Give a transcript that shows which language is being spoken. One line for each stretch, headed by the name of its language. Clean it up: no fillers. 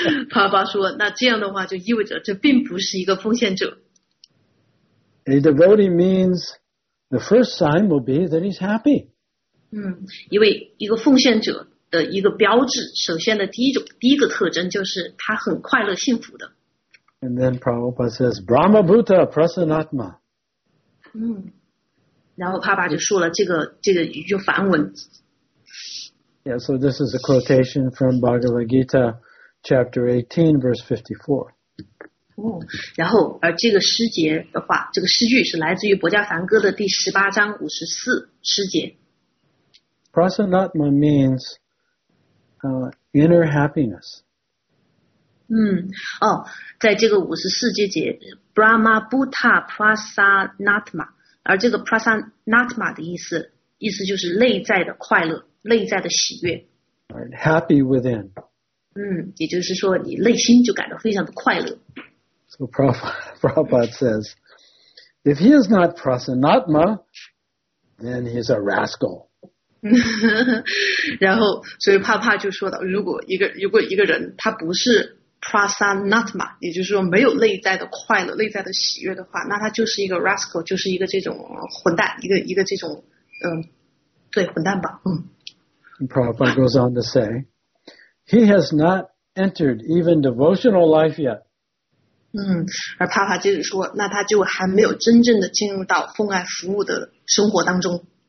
Chinese: 帕帕说，那这样的话就意味着这并不是一个奉献者。
English: A devotee means the first sign will be that he's happy.
Chinese: 嗯，因为一个奉献者的一个标志，首先的第一个特征就是他很快乐幸福的。
English: And then Prabhupada says Brahma Bhuta Prasanatma.
Chinese: 嗯，然后帕帕就说了这个一句梵文。
English: Yeah, so this is a quotation from Bhagavad Gita, chapter 18, verse 54.
Chinese: 哦，然后而这个诗节的话，这个诗句是来自于《薄伽梵歌》的第十八章五十四诗节。
English: Prasanatma means inner happiness.
Chinese: 嗯，哦，在这个五十四节节 ，Brahma Buddha Prasanatma， 而这个 Prasanatma 的意思就是内在的快乐。内在的喜悦
English: ，happy within。
Chinese: 嗯，也就是说，你内心就感到非常的快乐。
English: So Prabhupada says, if he is not prasanatma, then he's a rascal.
Chinese: 然后，所以帕帕就说到，如果一个人他不是 prasanatma， 也就是说没有内在的快乐、内在的喜悦的话，那他就是一个 rascal， 就是一个这种混蛋，一个这种对，混蛋吧，嗯。
English: And Prabhupada goes on to say, he has not entered even devotional life yet.
Chinese: 嗯，而帕帕接着说，那他就还没有真正的进入到奉爱服务的生活当中。